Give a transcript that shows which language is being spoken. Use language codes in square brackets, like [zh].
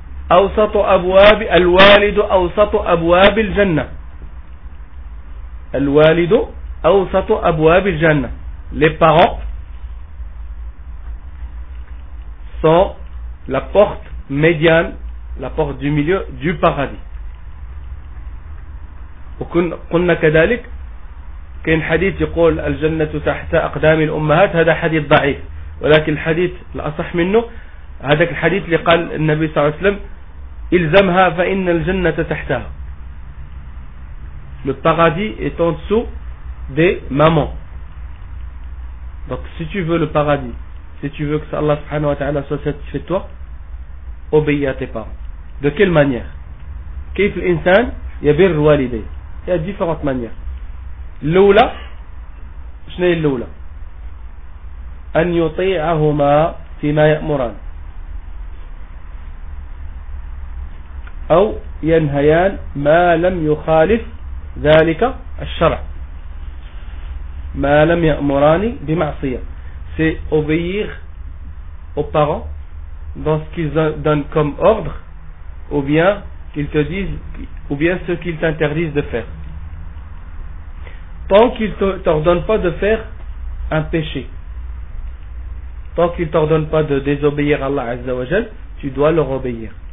[ar] Awsatu abwab al-walid awsatu abwab al-jannah. Al-walidu awsatu abwab al-jannah. Les parents sont la porte médiane, la porte du milieu du paradis. وكنا كذلك كان حديث يقول الجنة تحت أقدام الأمهات, هذا حديث ضعيف, ولكن الحديث الأصح منه هذاك الحديث اللي قال النبي صلى الله عليه وسلم إلزمها فإن الجنة تحتها. [fr] Le paradis est en dessous des mamans. Donc si tu veux le paradis, si tu veux que Allah subhanahu wa ta'ala soit satisfait de toi, obéis à tes parents. De quelle manière? [ar] كيف الإنسان يبر والديه؟ [fr] Il y a différentes manières. [ar] الأولى, شنو هي الأولى؟ أن يطيعهما فيما يأمران أو ينهيان ما لم يخالف ذلك الشرع. ما لم يأمراني بمعصية, [fr] سي obéir aux parents dans ce qu'ils donnent comme ordre, ou bien qu'ils te disent, ou bien ce qu'ils t'interdisent de faire. Tant qu'il ne t'ordonne pas de faire un péché, tant qu'il ne t'ordonne pas de désobéir à Allah Azza wa Jal, tu dois leur obéir.